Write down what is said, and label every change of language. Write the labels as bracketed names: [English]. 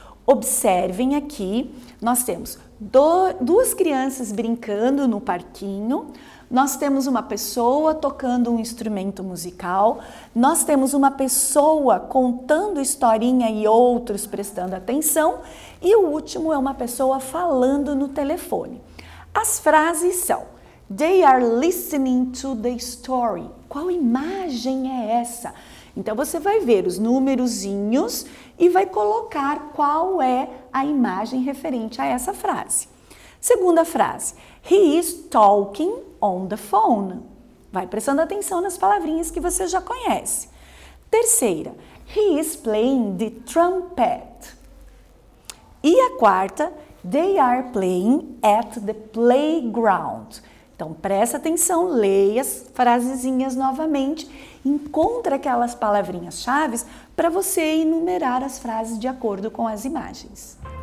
[Portuguese] Observem aqui, nós temos duas crianças brincando no parquinho, nós temos uma pessoa tocando um instrumento musical, nós temos uma pessoa contando historinha e outros prestando atenção, e o último é uma pessoa falando no telefone. As frases são, [English] they are listening to the story. [Portuguese] Qual imagem é essa? Então, você vai ver os numerozinhos e vai colocar qual é a imagem referente a essa frase. Segunda frase, [English] he is talking on the phone. [Portuguese] Vai prestando atenção nas palavrinhas que você já conhece. Terceira, [English] he is playing the trumpet. [Portuguese] E a quarta, [English] they are playing at the playground. [Portuguese] Então, presta atenção, leia as frasezinhas novamente, encontra aquelas palavrinhas-chave para você enumerar as frases de acordo com as imagens.